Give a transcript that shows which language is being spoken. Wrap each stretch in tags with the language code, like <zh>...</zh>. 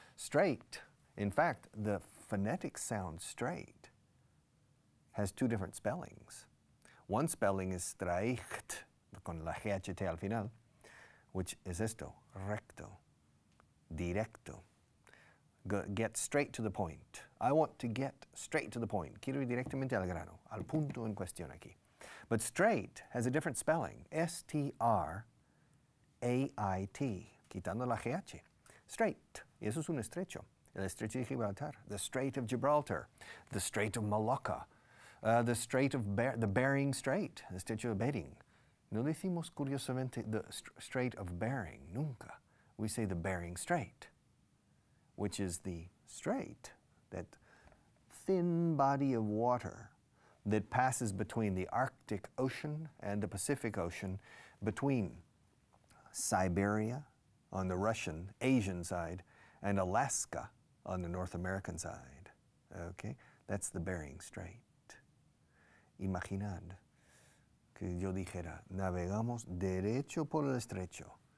<en>Straight, in fact, the phonetic sound straight has two different spellings. One spelling is straight,</en> <es>con la GHT al final,</es> <en>which is</en> <es>esto, recto, directo.</es> <en>Get straight to the point. I want to get straight to the point.</en> <es>Quiero ir directamente al grano, al punto en cuestión aquí.</es> <en>But straight has a different spelling, S-T-R-A-I-T,</en> <es>quitando la GH.</es> <en>Straight,</en> <es>y eso es un estrecho, el estrecho de Gibraltar,</es> <en>the Strait of Gibraltar, the Strait of Malacca, the Strait of the Bering Strait,</en> <es>el estrecho de Bering. No decimos, curiosamente,</es> <en>the Strait of Bering,</en> <es>nunca.</es> <en>We say the Bering Strait, which is the strait, that thin body of water that passes between the Arctic Ocean and the Pacific Ocean, between Siberia on the Russian, Asian side, and Alaska on the North American side. Okay, that's the Bering Strait.</en> <es>Imaginad. Que yo dijera, navegamos derecho por el estrecho.</es>